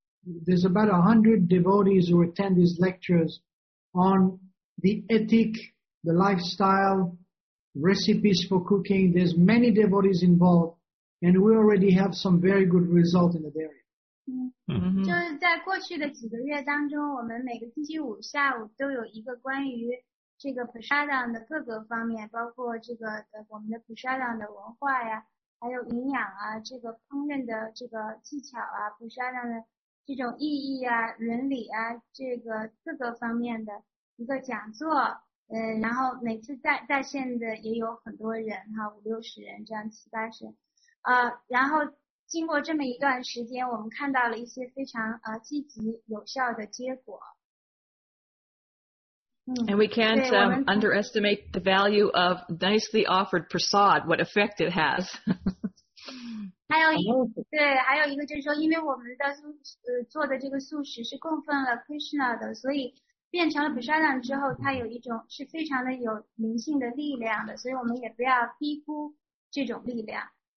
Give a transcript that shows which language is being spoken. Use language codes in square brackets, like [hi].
[en] There's about 100 devotees who attend these lectures on the ethic, the lifestyle, recipes for cooking. There's many devotees involved, and we already have some very good results in that area. Mm-hmm. [zh] 就是在过去的几个月当中，我们每个星期五下午都有一个关于这个普沙当的各个方面，包括这个我们的普沙当的文化呀，还有营养啊，这个烹饪的这个技巧啊，普沙当的这种意义啊，伦理啊，这个各个方面的一个讲座。然后每次在线的也有很多人哈，五六十人这样，七八十人，然后。经过这么一段时间，我们看到了一些非常积极有效的结果。 [en] And we can't underestimate the value of nicely offered prasad, what effect it has. [zh] 还有一个就是说，因为我们的做的这个素食是供奉了 Krishna 的，所以变成了 prasadam 之后，它有一种是非常的有灵性的力量的，所以我们也不要低估这种力量。